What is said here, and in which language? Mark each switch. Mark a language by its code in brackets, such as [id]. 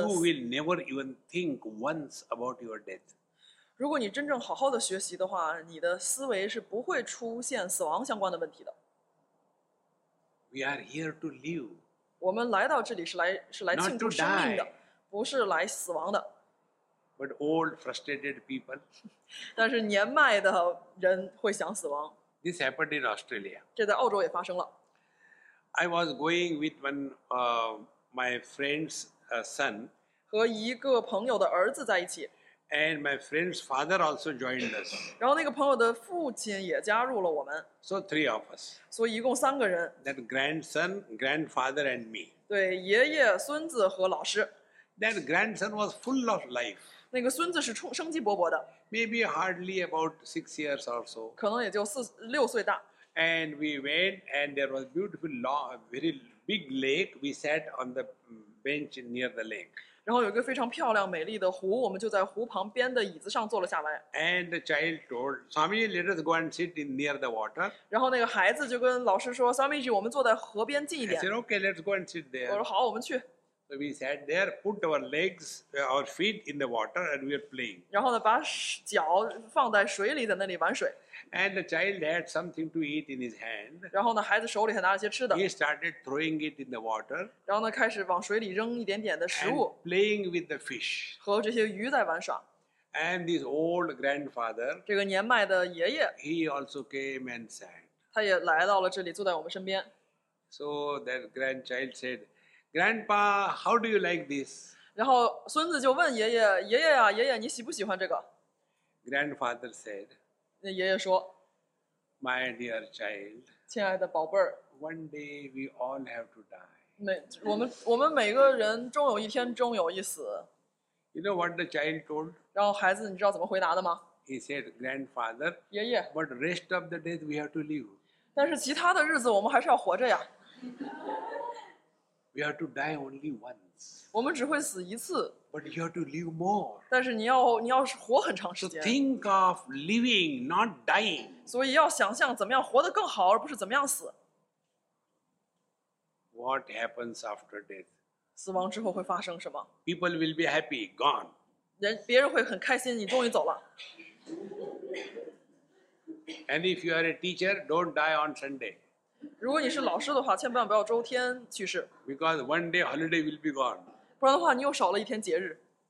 [en] you will never even think once about your death. [zh] 如果你真正好好的学习的话，你的思维是不会出现死亡相关的问题的。 [en] We are here to live. [zh] 我们来到这里是来庆祝生命的，不是来死亡的。 [en] But old, frustrated people. [zh] 但是年迈的人会想死亡。 [en] This happened in Australia. [zh] 这在澳洲也发生了。 [en] I was going with one my friend's son. [zh] 和一个朋友的儿子在一起。 [en] And my friend's father also joined us. [zh] 然后那个朋友的父亲也加入了我们。 [en] So three of us. [zh] 所以一共三个人。 [en] That grandson, grandfather, and me. [zh] 对，爷爷、孙子和老师。 [en] That grandson was full of life. [zh] 那个孙子是生机勃勃的。 [en] Maybe hardly about 6 years or so. [zh] 可能也就六岁大。 [en] And we went, and there was beautiful, long, very big lake. We sat on the bench near the lake. [zh] 然后有一个非常漂亮、美丽的湖，我们就在湖旁边的椅子上坐了下来。 [en] And the child told Swami, "Let us go and sit near the water." [zh] 然后那个孩子就跟老师说 ，Swamiji, 我们坐在河边近一点。 [en] I said, "Okay, let's go and sit there." [zh] 我说好，我们去。 [en] So we sat there, put our legs, our feet in the water, and we were playing. [zh] 然后呢，把脚放在水里，在那里玩水。 [en] And the child had something to eat in his hand. [zh] 然后呢，孩子手里还拿了些吃的。 [en] He started throwing it in the water. [zh] 然后呢，开始往水里扔一点点的食物。 [en] And playing with the fish. [zh] 和这些鱼在玩耍。 [en] And his old grandfather. [zh] 这个年迈的爷爷。 [en] He also came and sat. [zh] 他也来到了这里，坐在我们身边。 [en] So that grandchild said, "Grandpa, how do you like this?" [zh] 然后孙子就问爷爷，爷爷啊，爷爷，你喜不喜欢这个？ [en] Grandfather said. [zh] 那爷爷说 [en] ，My dear child， [zh] 亲爱的宝贝儿 [en] ，One day we all have to die。 [zh] 我们每个人终有一天终有一死。 [en] You know what the child told？ [zh] 然后孩子，你知道怎么回答的吗 [en] ？He said, "Grandfather， [zh] 爷爷 [en] ，But rest of the days we have to live。 [zh] 但是其他的日子我们还是要活着呀。 [en] We have to die only once。 [zh] 我们只会死一次。 [en] But you have to live more. [zh] 但是你要活很长时间。 [en] So think of living, not dying. [zh] 所以要想象怎么样活得更好，而不是怎么样死。 [en] What happens after death? [zh] 死亡之后会发生什么 [en] ？People will be happy, gone. [zh] 别人会很开心，你终于走了。 [en] And if you are a teacher, don't die on Sunday. [zh] 如果你是老师的话，千万不要周天去世。 [en] Because one day holiday will be gone. [zh] 不然的话，你又少了一天节日。